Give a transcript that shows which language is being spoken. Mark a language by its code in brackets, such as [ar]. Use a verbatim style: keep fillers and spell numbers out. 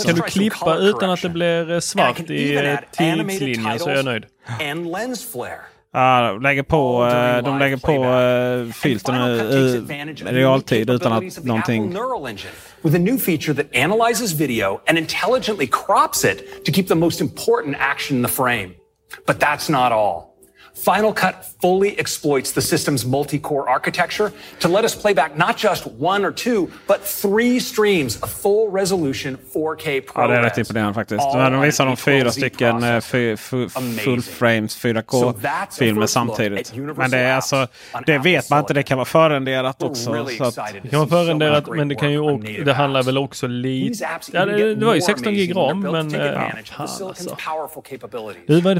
[sv] Kan du klippa utan att det blir svart i tidslinjen så är jag nöjd. [en] and lens flare. [sv] Ja, de lägger på, de lägger på filterna i realtid utan att någonting... [en] With a new feature that analyzes video and intelligently crops it to keep the most important action in the frame. But that's not all. Final Cut fully exploits the system's multi-core architecture to let us play back not just one or two, but three streams of full resolution four K [sv] ProRes. Ja, det är rätt imponerande faktiskt. De visar de fyra stycken full frames four K-filmer samtidigt. Men det är alltså, det vet man inte, det kan vara förenderat också. Så att, det kan vara förenderat, men det kan ju också, det handlar väl också lite... Ja, det, det var ju sexton gig RAM, men... Ja, alltså. Det, var det,